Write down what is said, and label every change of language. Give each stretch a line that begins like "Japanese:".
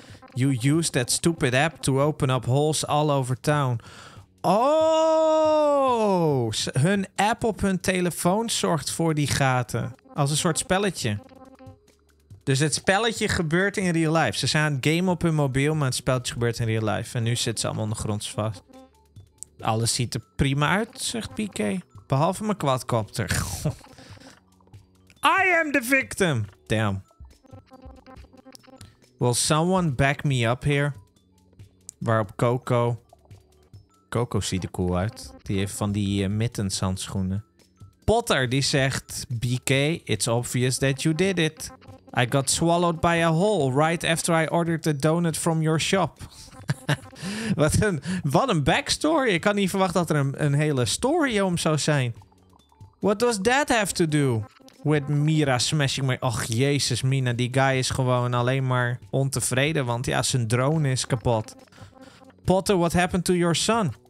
English: You used that stupid app to open up holes all over town. Oh!
Dutch: Hun app op hun telefoon zorgt voor die gaten. Als een soort spelletje. Dus het spelletje gebeurt
English: in real life.
Dutch: Ze zijn aan het gamen op hun mobiel, maar het spelletje gebeurt
English: in real life.
Dutch: En nu zitten ze allemaal ondergronds vast. Alles ziet er prima uit, zegt PK. Behalve mijn quadcopter.
English: I am the victim. Damn. Will someone back me up here?
Dutch: Waarop Coco... Coco ziet er cool uit. Die heeft van die mittens handschoenen. Potter, die zegt...
English: BK, it's obvious that you did it. I got swallowed by a hole right after I ordered the donut from your shop.
Dutch: Wat een backstory. Ik had niet verwacht dat er een hele story om zou zijn.
English: What does that have to do? With Mira smashing me.
Dutch: Och jezus, Mina, die guy is gewoon alleen maar ontevreden. Want ja, zijn drone is kapot.
English: Potter, what happened to your son?